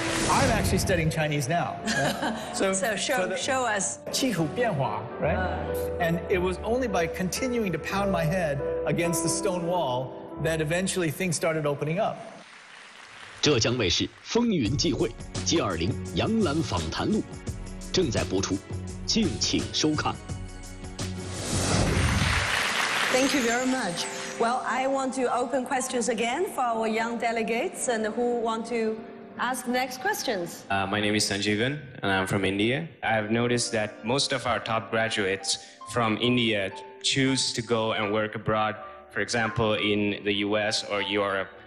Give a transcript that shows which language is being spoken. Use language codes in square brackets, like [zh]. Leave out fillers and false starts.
[en] I'm actually studying Chinese now. Right? So show us. [zh] 气候变化, [en] right? And it was only by continuing to pound my head against the stone wall that eventually things started opening up. [zh] 浙江卫视风云际会 G20杨澜访谈录 正在播出，敬请收看。 [en] Thank you very much. Well, I want to open questions again for our young delegates and who want to ask next questions. My name is Sanjeevan and I'm from India. I have noticed that most of our top graduates from India choose to go and work abroad, for example, in the US or Europe.